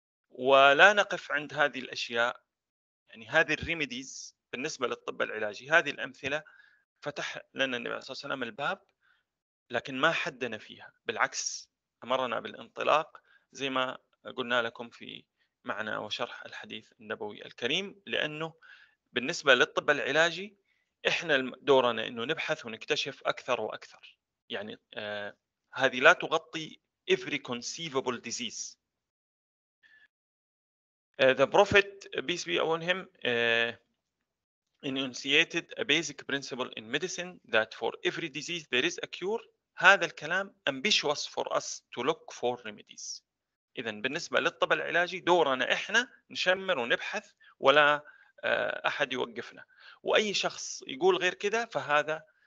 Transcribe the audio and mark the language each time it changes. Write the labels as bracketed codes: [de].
[ar] ولا نقف عند هذه الاشياء، يعني هذه الريميديز بالنسبه للطب العلاجي، هذه الامثله فتح لنا النبي صلى الله عليه وسلم الباب، لكن ما حدنا فيها، بالعكس أمرنا بالانطلاق زي ما قلنا لكم في معنى وشرح الحديث النبوي الكريم. لأنه بالنسبة للطب العلاجي إحنا دورنا أنه نبحث ونكتشف أكثر وأكثر، يعني هذه لا تغطي [en] every conceivable disease. The prophet peace be upon him enunciated a basic principle in medicine that for every disease there is a cure. [ar] هذا الكلام [en] ambitious for us to look for remedies. [ar] إذن بالنسبة للطب العلاجي دورنا إحنا نشمر ونبحث ولا أحد يوقفنا. وأي شخص يقول غير كده فهذا